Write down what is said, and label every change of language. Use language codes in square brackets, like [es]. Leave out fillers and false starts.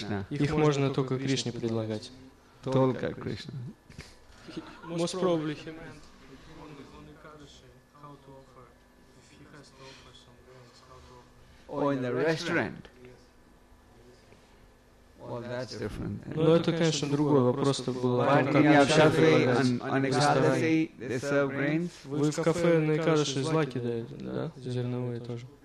[ru] их можно только Кришне предлагать. Только Кришне. [en] Most probably he meant on Экадаши, how to offer, if he has to offer some grains, how to offer. Or in the restaurant. Well, that's different. [ru] Но это, конечно, другой вопрос, это было. Вы в кафе на Экадаши злаки даете, да? Зерновые тоже.